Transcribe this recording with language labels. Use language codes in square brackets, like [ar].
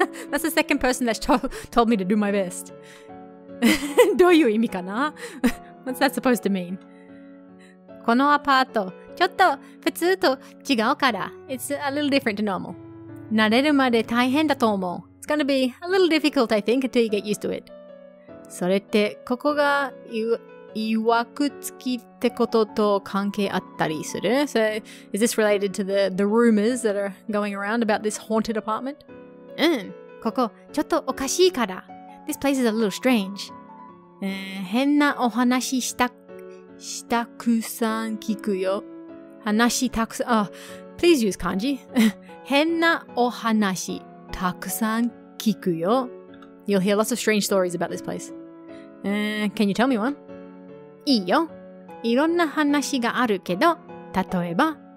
[en] That's the second person that's told me to do my best. [ja] どういう意味かな? [en] What's that supposed to mean? [ja] このアパート、ちょっと普通と違うから。 [en] It's a little different to normal. [ja] 慣れるまで大変だと思う。 [en] It's going to be a little difficult, I think, until you get used to it. [ja] それってここがいわくつきってことと関係あったりする? [en] So, is this related to the rumors that are going around about this haunted apartment? [ja] うん、ここちょっとおかしいから。 [en] This place is a little strange. [ja] 変なお話したくさん聞くよ。 [en] Please use kanji. [ja] 変なお話たくさん聞くよ。 [en] You'll hear lots of strange stories about this place. Can you tell me one? [ja] いいよ。いろんな話があるけど、 例えば、